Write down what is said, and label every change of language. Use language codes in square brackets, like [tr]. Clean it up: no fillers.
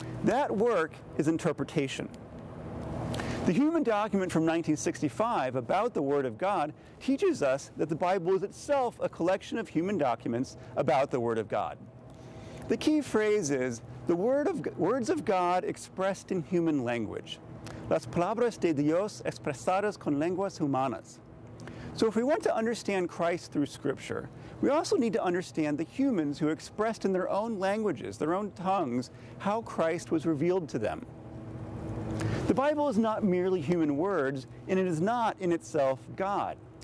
[en] That work is interpretation. The Human Document from 1965 about the Word of God teaches us that the Bible is itself a collection of human documents about the Word of God. The key phrase is, the words of God expressed in human language. [es] Las palabras de Dios expresadas con lenguas humanas. [en] So if we want to understand Christ through Scripture, we also need to understand the humans who expressed in their own languages, their own tongues, how Christ was revealed to them. The Bible is not merely human words, and it is not in itself God.